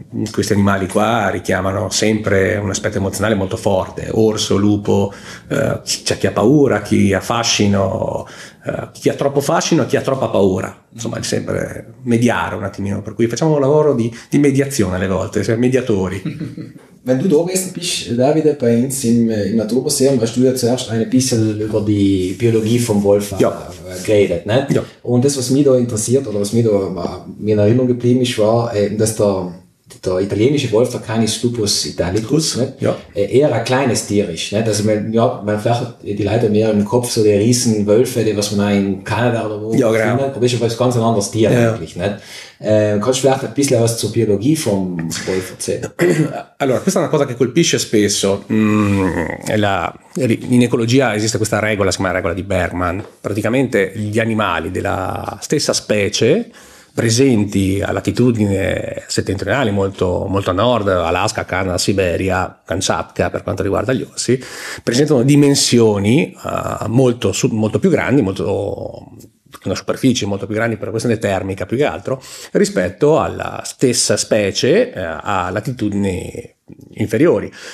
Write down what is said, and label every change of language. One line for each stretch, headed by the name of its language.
Italian: Questi animali qua richiamano sempre un aspetto emozionale molto forte, orso, lupo, c'è chi ha paura, chi ha fascino, chi ha troppo fascino e chi ha troppa paura, insomma è sempre mediare un attimino, per cui facciamo un lavoro di mediazione alle volte, siamo mediatori.
German: Wenn du da gewesen bist, David, bei uns im Naturmuseum, hast du ja zuerst ein bisschen über die Biologie vom Wolf geredet. Ne? Ja. Und das, was mich da interessiert oder was mir in Erinnerung geblieben ist, war, dass der der italienische Wolf, der Canis Lupus Italicus, ne? Ja. Eher ein kleines Tierisch. Ne? Also man, ja, man vielleicht hat die Leute mehr im Kopf, so die riesen Wölfe, die was man auch in Kanada oder wo ja, genau. findet. Aber das ist aber ein ganz anderes Tier ja. eigentlich. Ne? Kannst du vielleicht ein bisschen was zur Biologie vom Wolf erzählen?
Italian: Allora, questa è una cosa che colpisce spesso. In ecologia esiste questa regola, si chiama regola di Bergman. Praticamente gli animali della stessa specie presenti a latitudine settentrionale, molto, molto a nord, Alaska, Canada, Siberia, Kamchatka per quanto riguarda gli orsi, presentano dimensioni molto, molto più grandi, molto, una superficie molto più grande per questione termica più che altro, rispetto alla stessa specie a latitudini inferiori.